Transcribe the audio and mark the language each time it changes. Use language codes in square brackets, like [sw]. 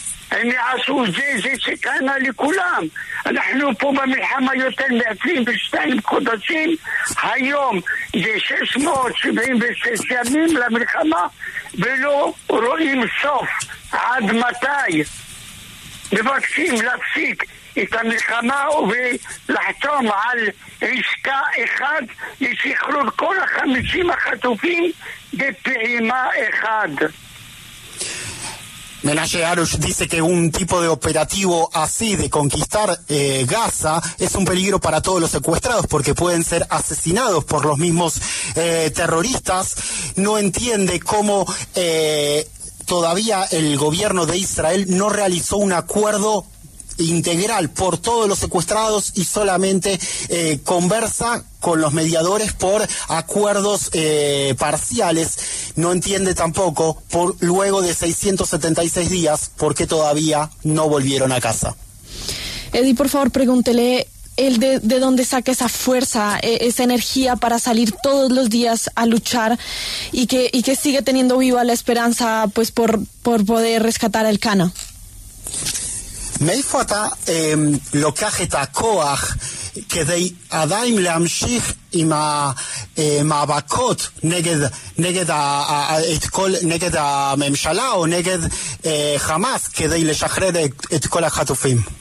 [he] הם יעשו זה שקנה לכולם. אנחנו פה במלחמה יותר מ-22 חודשים, היום זה 676 ימים למלחמה ולא רואים סוף. עד מתי מבקשים להפסיק את המלחמה ולחתום על עסקה אחד לשחרור כל ה-50 החטופים בפעימה אחד? [es] Menashe Harush dice que un tipo de operativo así de conquistar Gaza es un peligro para todos los secuestrados porque pueden ser asesinados por los mismos terroristas. No entiende cómo todavía el gobierno de Israel no realizó un acuerdo integral por todos los secuestrados y solamente conversa con los mediadores por acuerdos parciales. No entiende tampoco por luego de 676 días por qué todavía no volvieron a casa. Eddie, por favor, pregúntele el de dónde saca esa fuerza, esa energía para salir todos los días a luchar y que sigue teniendo viva la esperanza pues por poder rescatar a Elkana. [he] מאיפה אתה לוקח את הכוח כדי עדיין להמשיך עם המאבקות נגד הממשלה או נגד חמאס כדי לשחרר את כל החטופים?